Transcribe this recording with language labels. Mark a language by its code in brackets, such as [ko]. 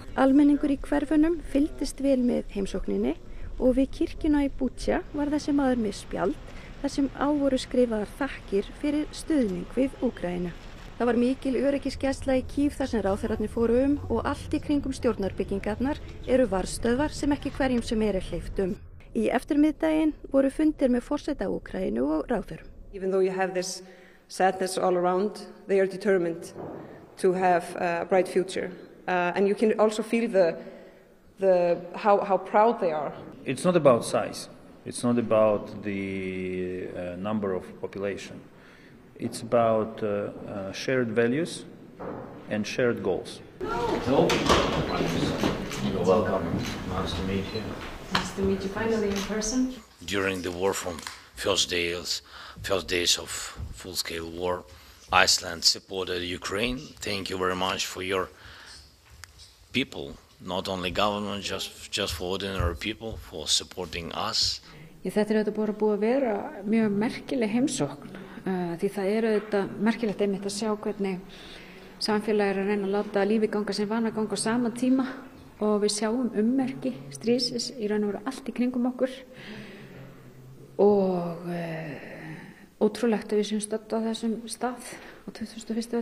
[is] Almenningur í hverfunum fylgdist vel með heimsókninni og við kirkjuna í Bútsja var þessi maður með spjald þar sem á voru skrifaðar þakkir fyrir stuðning við Úkraínu. Það var mikil öryggisgæsla í Kýf þar sem ráðherrarnir fóru og allt í kringum stjórnarbyggingarnar eru varðstöðvar sem ekki hverjum sem eru hleyft Í eftirmiðdaginn voru fundir með forseta Úkraínu og ráðherrum. [en] Even though you have this sadness all around, they are determined to have a bright future. And you can also feel how proud they are. It's not about size. It's not about the number of population. It's about shared values and shared goals. Hello. You're welcome. Nice to meet you. Nice to meet you finally in person. During the war from first days of full-scale war, Iceland supported Ukraine. Thank you very much for your people, not only government, just for ordinary people, for supporting us. [is] Þetta er auðvitað bara búið að vera mjög merkileg heimsókn. Því það eru þetta merkilegt einmitt að sjá hvernig samfélagi er að reyna að láta lífi ganga sem vana ganga á sama tíma og við sjáum ummerki stríðsins í raun og veru allt í kringum okkur og ótrúlegt að við séum stödd á þessum stað á 2001.